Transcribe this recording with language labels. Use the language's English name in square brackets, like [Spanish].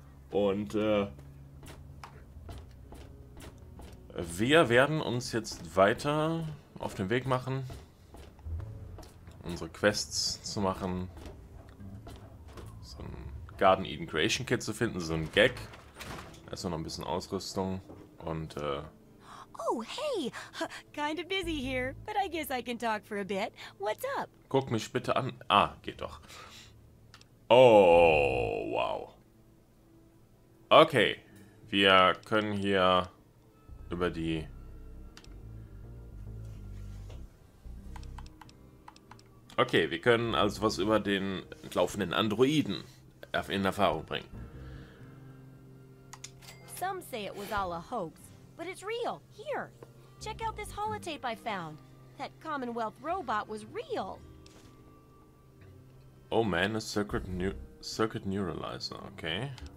[German] Und wir werden uns jetzt weiter auf den Weg machen, unsere Quests zu machen, so ein Garden Eden Creation Kit zu finden, so ein Gag. Erstmal noch ein bisschen Ausrüstung und [English] Oh, hey! Kind of busy here, but I guess I can talk for a bit. What's up? [German] Guck mich bitte an. Ah, geht doch. Oh, wow. Okay, wir können hier über die Okay, wir können also was über den laufenden Androiden in Erfahrung bringen. [English] Some say it was all a hoax, but it's real. Here. Check out this holotape I found. That Commonwealth robot was real. Oh man, a circuit neuralizer, okay?